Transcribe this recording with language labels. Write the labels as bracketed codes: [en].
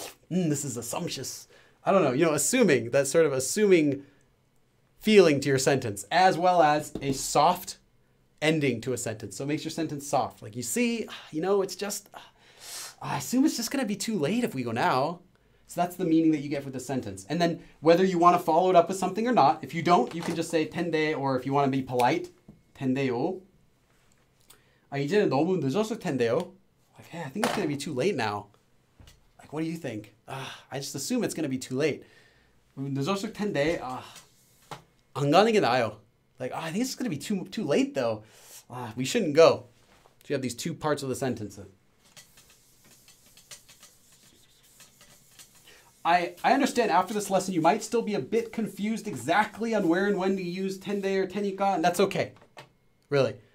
[en] This is assumptuous. I don't know, you know, assuming, that sort of assuming feeling to your sentence, as well as a soft ending to a sentence. So it makes your sentence soft. Like, you see, you know, it's just, I assume it's just going to be too late if we go now. So that's the meaning that you get with the sentence. And then whether you want to follow it up with something or not, if you don't, you can just say 텐데, or if you want to be polite, 텐데요. [ko] 아, 이제는 너무 늦었을 텐데요. [en] Like, hey, I think it's going to be too late now. Like, what do you think? I just assume it's going to be too late. [ko] 늦었을 텐데, 안 가는 게 나아요. [en] Like, I think it's going to be too late, though. We shouldn't go. So you have these two parts of the sentence. I understand after this lesson, you might still be a bit confused exactly on where and when to use 텐데 or 테니까, and that's okay, really.